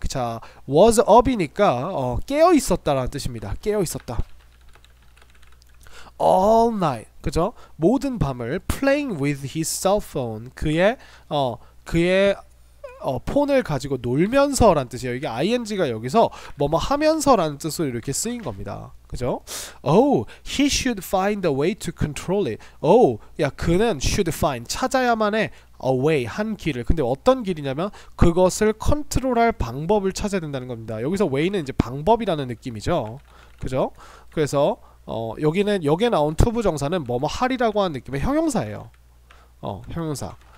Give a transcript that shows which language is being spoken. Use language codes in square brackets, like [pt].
[ko] 자, was up이니까, 깨어 있었다라는 뜻입니다. 깨어 있었다. [en] All night, [ko] 그죠? 모든 밤을 [en] playing with his cell phone, [ko] 그의 폰을 가지고 놀면서란 뜻이에요. 이게 ing가 여기서 뭐뭐 하면서라는 뜻으로 이렇게 쓰인 겁니다. 그죠? [en] Oh, he should find a way to control it. [ko] Oh, 야, 그는 [en] should find [ko] 찾아야만 해. [en] A way, [ko] 한 길을. 근데 어떤 길이냐면 그것을 컨트롤할 방법을 찾아야 된다는 겁니다. 여기서 way는 이제 방법이라는 느낌이죠. 그죠? 그래서 여기에 나온 to 부정사는 뭐뭐 할이라고 하는 느낌의 형용사예요. 형용사.